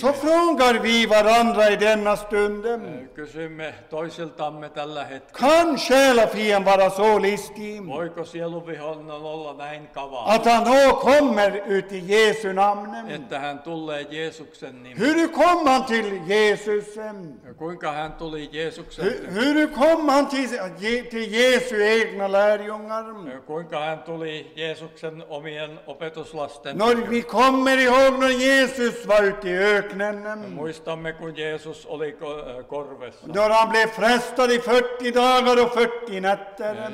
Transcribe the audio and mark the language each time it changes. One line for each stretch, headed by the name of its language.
Swedish: Så frågar vi varandra i denna stunden.
Finnish: Kysymme toisiltamme tällä hetkellä.
Swedish: Kan själa fien vara så listig?
Finnish: Voiko sieluvihollinen olla näin kavaa?
Swedish: Att han då kommer ut i Jeesu namnen.
Finnish: Että hän tulee Jeesuksen nimen.
Swedish: Hur kom han till Jeesus?
Finnish: Kuinka hän tuli Jeesuksen?
Swedish: Hur kom han till Jeesu egna lärjungar?
Finnish: Kuinka hän tuli Jeesuksen omien opetuslasten?
Swedish: No, vi kommer ihåg när Jeesus var ute i öknen.
Finnish: Me muistamme, kun Jeesus oli korvessa.
Swedish: Då han blev frestad i 40 dagar och 40 nätter.